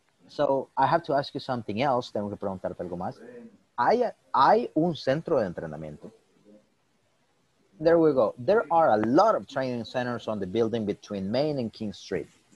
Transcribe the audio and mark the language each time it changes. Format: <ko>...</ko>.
<en>So, I have to ask you something else.</en> <es>Tengo que preguntarte algo más. ¿Hay un centro de entrenamiento?</es> <en>There we go. There are a lot of training centers on the building between Main and King Street.</en>